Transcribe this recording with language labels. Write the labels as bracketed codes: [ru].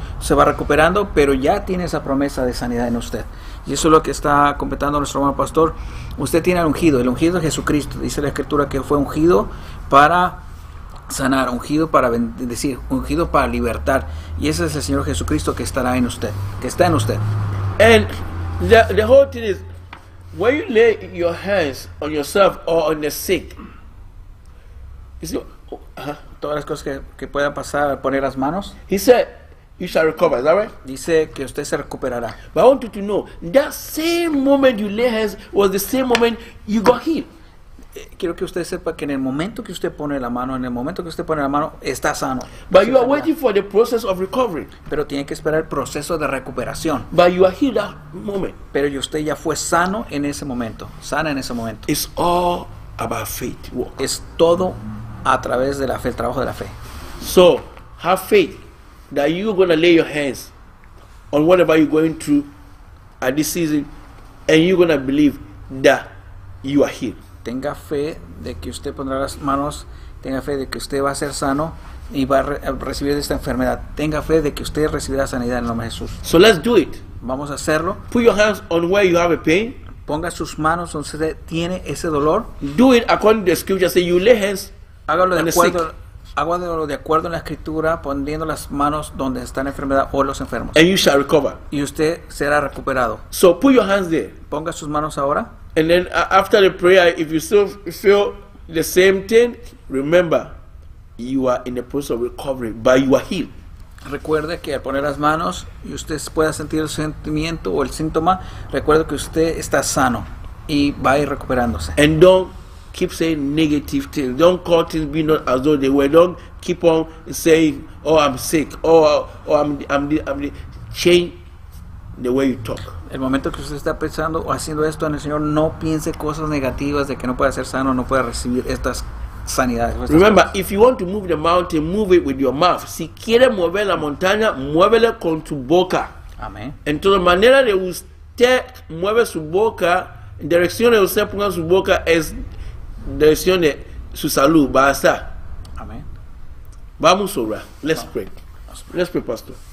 [es] Se va recuperando, pero ya tiene esa promesa de sanidad en usted. Y eso es lo que está completando nuestro hermano pastor. Usted tiene el ungido. El ungido es Jesucristo. Dice la escritura que fue ungido para sanar, ungido para bendecir, ungido para libertar, y ese es el Señor Jesucristo que estará en usted, que está en usted. [en] And the whole thing is, when you lay your hands on yourself or on the sick, you see, [es] todas las cosas que puedan pasar, poner las manos. [en] He said, "You shall recover." Is that right? [es] Dice que usted se recuperará. [en] But I want you to know that same moment you lay hands was the same moment you got healed. [es] Quiero que usted sepa que en el momento que usted pone la mano, está sano. [en] But you are waiting for the process of recovery. [es] Pero tiene que esperar el proceso de recuperación. [en] But you are healed that moment. [es] Pero usted ya fue sano en ese momento. Sana en ese momento. [en] It's all about faith work. [es] Es todo a través de la fe, el trabajo de la fe. [en] So, have faith that you're going to lay your hands on whatever you're going through at this season, and you're going to believe that you are healed. [es] Tenga fe de que usted pondrá las manos, tenga fe de que usted va a ser sano y va a recibir esta enfermedad. Tenga fe de que usted recibirá sanidad en el nombre de Jesús. [en] So let's do it. [es] Vamos a hacerlo. [en] Put your hands on where you have a pain. [es] Ponga sus manos donde usted tiene ese dolor. [en] Do it according to the scripture. Say you lay hands. [es] Hágalo de acuerdo en la escritura, poniendo las manos donde está la enfermedad o los enfermos. [en] And you shall recover. [es] Y usted será recuperado. [en] So put your hands there. [es] Ponga sus manos ahora. [en] And then after the prayer, if you still feel the same thing, remember, you are in the process of recovery, but you are healed. [es] Recuerde que al poner las manos y usted pueda sentir el sentimiento o el síntoma, recuerde que usted está sano y va a ir recuperándose. [en] And don't keep saying negative things. Don't call things being not as though they were. Don't keep on saying, "Oh, I'm sick," or "Oh, I'm the." change the way you talk. [es] El momento que usted está pensando o haciendo esto en el Señor, no piense cosas negativas de que no puede ser sano, no puede recibir estas sanidades. [en] Remember, if you want to move the mountain, move it with your mouth. [es] Si quiere mover la montaña, muévele con su boca. Amén. Entonces, la manera de usted mueve su boca, en dirección de usted ponga su boca, es dirección de su salud. Basta. Amén. Vamos a orar. [en] Let's pray. Let's pray, Pastor.